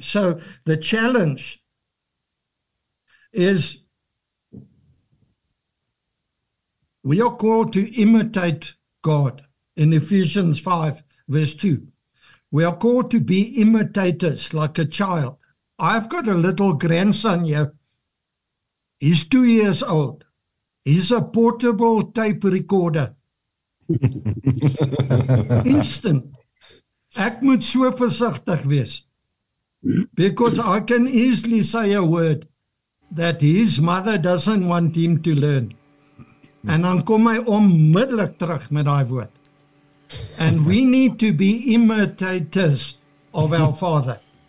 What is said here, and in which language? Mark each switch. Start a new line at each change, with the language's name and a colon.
English: So the challenge is we are called to imitate God in Ephesians 5, verse 2. We are called to be imitators like a child. I've got a little grandson here. He's 2 years old. He's a portable tape recorder. Instant.
Afrikaans: Ek moet so versigtig wees.
English: Because I can easily say a word that his mother doesn't want him to learn.
Afrikaans: And dan kom hy onmiddellik terug met daai woord.
English: And we need to be imitators of our father.